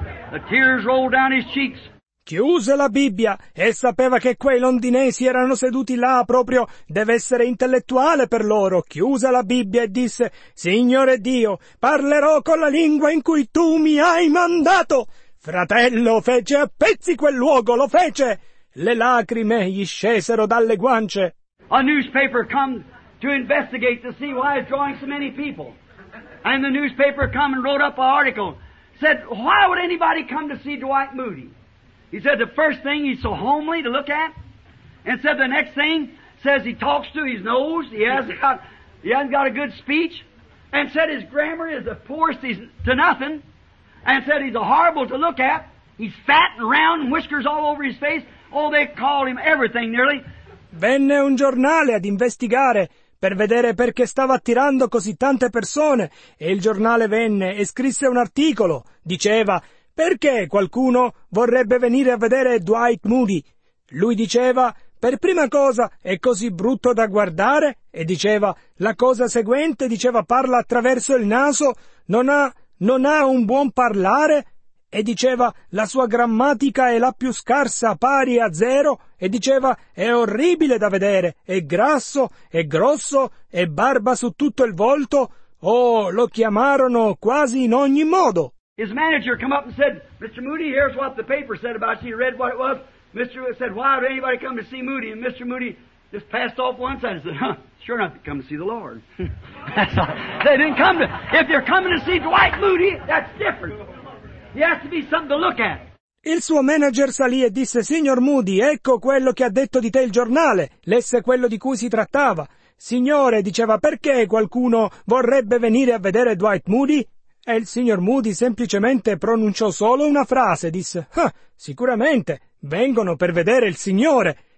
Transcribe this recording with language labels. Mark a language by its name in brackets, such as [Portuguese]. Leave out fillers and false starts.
[English] The tears rolled down his cheeks. [Italian] Chiuse la Bibbia e sapeva che quei londinesi erano seduti là proprio, deve essere intellettuale per loro. Chiuse la Bibbia e disse, Signore Dio, parlerò con la lingua in cui Tu mi hai mandato. Fratello, fece a pezzi quel luogo, lo fece. Le lacrime gli scesero dalle guance. [English] A newspaper come to investigate to see why it's drawing so many people. And the newspaper come and wrote up an article. Said, why would anybody come to see Dwight Moody? He said, the first thing, he's so homely to look at. And said, the next thing, says he talks through his nose. He hasn't got a good speech. And said, his grammar is the poorest to nothing. And said, he's a horrible to look at. He's fat and round and whiskers all over his face. Oh, they called him everything nearly. [Italian] Venne un giornale ad investigare per vedere perché stava attirando così tante persone e il giornale venne e scrisse un articolo. Diceva, perché qualcuno vorrebbe venire a vedere Dwight Moody? Lui diceva, per prima cosa è così brutto da guardare e diceva, la cosa seguente, diceva, parla attraverso il naso, non ha un buon parlare e diceva, la sua grammatica è la più scarsa, pari a zero, e diceva, è orribile da vedere, è grasso, è grosso, è barba su tutto il volto, oh, lo chiamarono quasi in ogni modo. [English] His manager come up and said, Mr. Moody, here's what the paper said about you, read what it was. Mr. Moody said, why would anybody come to see Moody? And Mr. Moody just passed off one side and said, huh, sure enough, come to see the Lord. They didn't come to, if you're coming to see Dwight Moody, that's different. He has to be something to look at. [Italian] Il suo manager salì e disse, signor Moody, ecco quello che ha detto di te il giornale, lesse quello di cui si trattava. Signore, diceva, perché qualcuno vorrebbe venire a vedere Dwight Moody? E il signor Moody semplicemente pronunciò solo una frase, disse, sicuramente, vengono per vedere il signore.